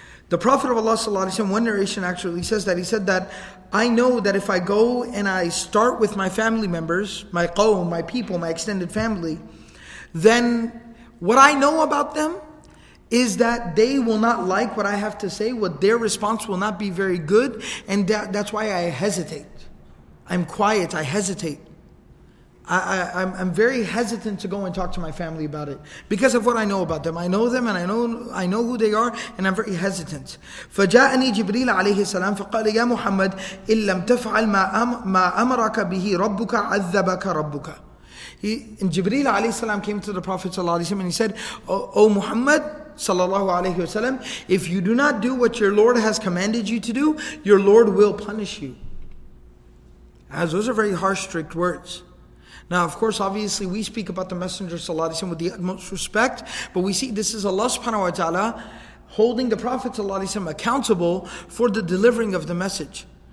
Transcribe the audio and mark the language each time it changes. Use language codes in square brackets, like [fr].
[en] The Prophet of Allah sallallahu alaihi wasallam, one narration actually says that, he said that, I know that if I go and I start with my family members, my qawm, my people, my extended family, then what I know about them is that they will not like what I have to say, what their response will not be very good, and that's why I hesitate. I'm quiet, I hesitate. I'm very hesitant to go and talk to my family about it because of what I know about them. I know them and I know who they are, and I'm very hesitant. [ar] فجاءني جبريل عليه السلام فقال يا محمد إن لم تفعل ما أمرك به ربك عذبك ربك. [en] And Jibreel alayhi salam came to the Prophet sallallahu alayhi wasallam and he said, O Muhammad sallallahu alayhi wasallam, if you do not do what your Lord has commanded you to do, your Lord will punish you. As those are very harsh, strict words. Now, of course, obviously, we speak about the Messenger sallallahu alayhi wasallam with the utmost respect, but we see this is Allah subhanahu wa ta'ala holding the Prophet sallallahu alayhi wasallam accountable for the delivering of the message.